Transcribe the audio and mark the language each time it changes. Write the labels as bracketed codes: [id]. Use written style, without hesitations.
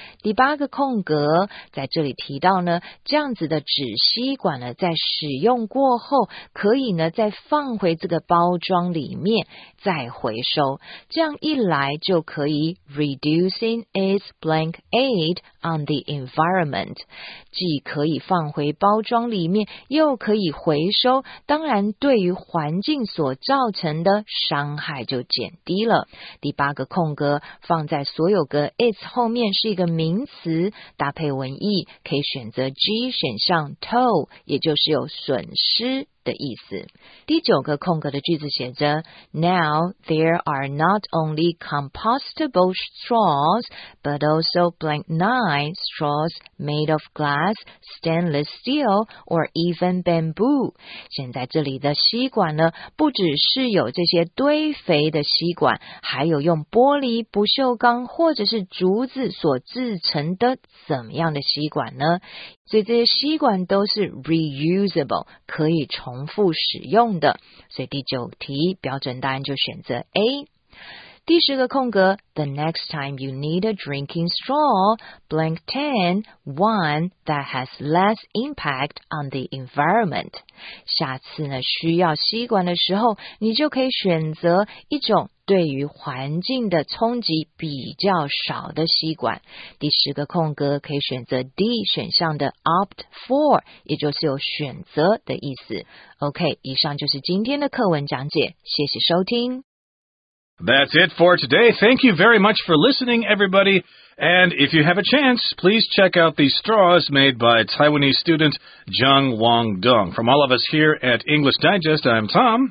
[zh] 第八个空格在这里提到呢，这样子的纸吸管呢，在使用过后可以呢再放回这个包装里面再回收，这样一来就可以 [en] reducing its blank aid on the environment， [zh] 既可以放回包装里面又可以回收，当然对于环境所造成的伤害就减低了。第八个空格放在所有格 its 后面是一个名词，搭配文意可以选择 G 选项 toll， 也就是有损失的意思。第九个空格的句子写着 [en] Now there are not only compostable straws but also blank nine straws made of glass, stainless steel or even bamboo. [zh] 现在这里的吸管呢，不只是有这些堆肥的吸管，还有用玻璃、不锈钢或者是竹子所制成的怎么样的吸管呢？所以这些吸管都是 reusable， 可以重复使用的。所以第九题标准答案就选择 A。第十个空格 [en] ，The next time you need a drinking straw, blank ten, one that has less impact on the environment。 [zh] 下次呢，需要吸管的时候，你就可以选择一种对于环境的冲击比较少的吸管。第十个空格可以选择 D 选项的 opt for， 也就是有选择的意思。 OK， 以上就是今天的课文讲解，谢谢收听。 [en] That's it for today. Thank you very much for listening, everybody. And if you have a chance, please check out the straws made by Taiwanese student Zheng Wang Dong. From all of us here at English Digest, I'm Tom.